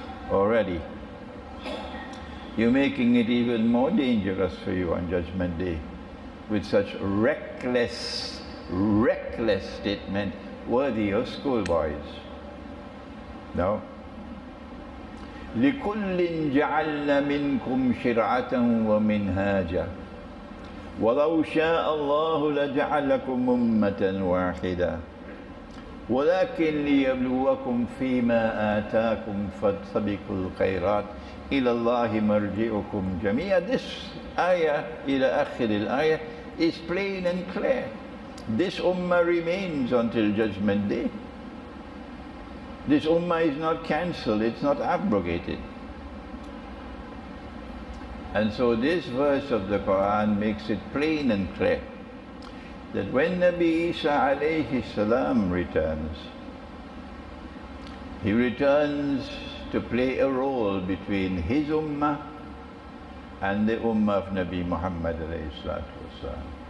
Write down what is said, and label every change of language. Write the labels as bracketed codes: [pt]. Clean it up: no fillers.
[en] Already, you're making it even more dangerous for you on Judgment Day with such reckless statement worthy of schoolboys. No? [ar] لِكُلِّنْ جَعَلْنَا مِنْكُمْ شِرْعَةً وَمِنْهَاجًا وَلَوْ شَاءَ اللَّهُ لَجَعَلَكُمْ أُمَّةً وَاحِدًا ولكن ليبلوكم فيما آتاكم فاتسبقوا الخيرات إلى الله مرجعكم جميعا. [en] This ayah [ar] إلى آخر الآية [en] is plain and clear. This ummah remains until Judgment Day. This ummah is not cancelled, it's not abrogated. And so this verse of the Quran makes it plain and clear that when Nabi Isa alayhi salam returns, he returns to play a role between his ummah and the ummah of Nabi Muhammad alayhi salatu wasalam.